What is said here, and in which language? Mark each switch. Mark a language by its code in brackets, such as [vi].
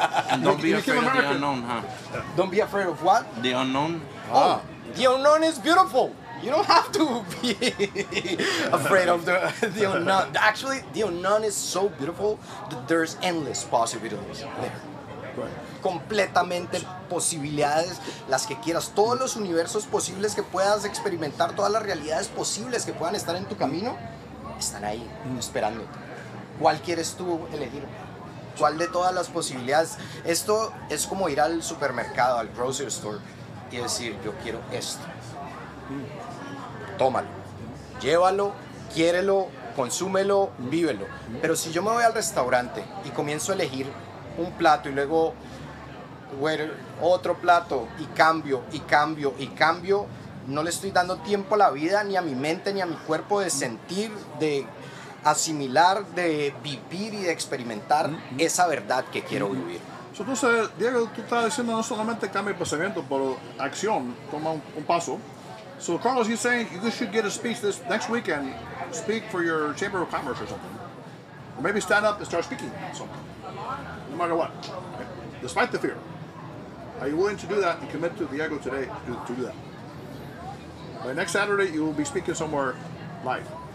[en] And don't be afraid of the unknown, huh? Don't be afraid of what? The unknown. Oh, the unknown is beautiful. You don't have to be afraid of the unknown. Actually, the unknown is so beautiful that there's endless possibilities there. [es] Completamente posibilidades, las que quieras, todos los universos posibles que puedas experimentar, todas las realidades posibles que puedan estar en tu camino, están ahí, esperándote. ¿Cuál quieres tú elegir? ¿Cuál de todas las posibilidades? Esto es como ir al supermercado, al [en] grocery store, [es] y decir, yo quiero esto. Tómalo, llévalo, quiérelo, consúmelo, vívelo. Pero si yo me voy al restaurante y comienzo a elegir un plato y luego otro plato y cambio y cambio y cambio, no le estoy dando tiempo a la vida, ni a mi mente, ni a mi cuerpo de sentir, de asimilar, de vivir y de experimentar esa verdad que quiero vivir. Entonces, Diego, tú estás diciendo no solamente cambia el pensamiento, pero acción, toma un paso. [en] So Carlos, you're saying you should get a speech this next weekend, speak for your Chamber of Commerce or something. Or maybe stand up and start speaking something. No matter what. Okay. Despite the fear. Are you willing to do that and commit to the ego today to do that? By next Saturday, you will be speaking somewhere live.